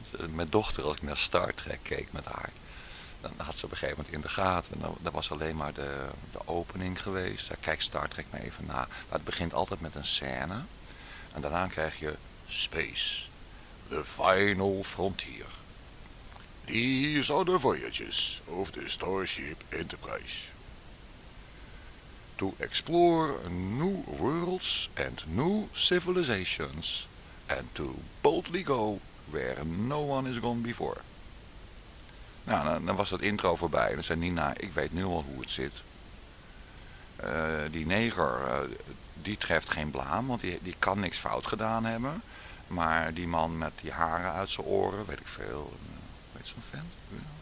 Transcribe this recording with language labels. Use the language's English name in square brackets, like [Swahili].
[Dutch] Mijn dochter, als ik naar Star Trek keek met haar, dan had ze op een gegeven moment in de gaten. Dat was alleen maar de opening geweest. Kijk Star Trek maar even na. Maar het begint altijd met een scène. En daarna krijg je [English] Space, the final frontier. These are the voyages of the Starship Enterprise. To explore new worlds and new civilizations. And to boldly go where no one has gone before. [Dutch] Nou, dan was dat intro voorbij. Dan zei Nina, ik weet nu al hoe het zit. Die neger, die treft geen blaam, want die kan niks fout gedaan hebben. Maar die man met die haren uit zijn oren, weet ik veel. Weet zo'n vent? Ja.